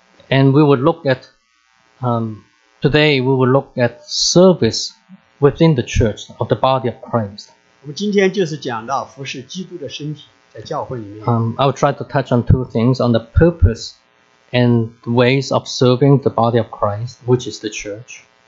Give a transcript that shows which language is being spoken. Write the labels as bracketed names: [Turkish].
[English] And we would look at, today we would look at service within the church of the body of Christ. [Chinese] 我们今天就是讲到服侍基督的身体，在教会里面。 [English] I will try to touch on two things, on the purpose and the ways of serving the body of Christ, which is the church.